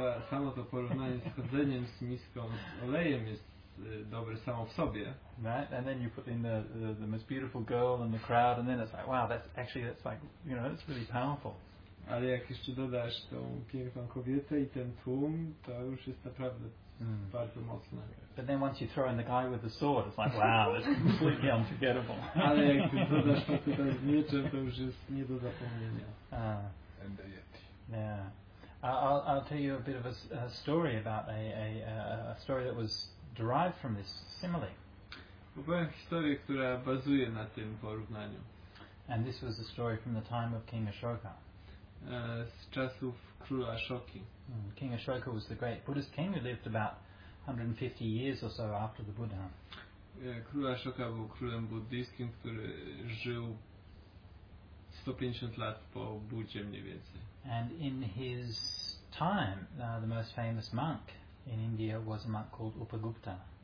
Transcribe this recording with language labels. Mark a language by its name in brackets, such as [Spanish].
[Polish] Samo to porównanie z chodzeniem z miską z olejem jest dobre samo w sobie. [English] Right, and then you put in the most beautiful girl in the crowd, and then it's like, wow, that's it's really powerful. [Polish] Ale jak jeszcze dodasz tą piękną kobietę i ten tłum, to już jest naprawdę bardzo mocne. [English] But then once you throw in the guy with the sword, it's like, wow, that's completely unforgettable. [Polish] Ale jak dodasz kobietę z mieczem, to już jest nie do zapomnienia. [English] And the Yeti. Yeah. I'll tell you a bit of a story about a story that was derived from this simile. [Polish] Opowiem historię, która bazuje na tym porównaniu. [English] And this was a story from the time of King Ashoka. [Polish] Z czasów króla Ashoki. [English] King Ashoka was the great Buddhist king who lived about 150 years or so after the Buddha. [Polish] Król Ashoka był królem buddyjskim, który żył 150 lat po Buddzie mniej więcej. [English] And in his time, the most famous monk in India was a monk called Upagupta.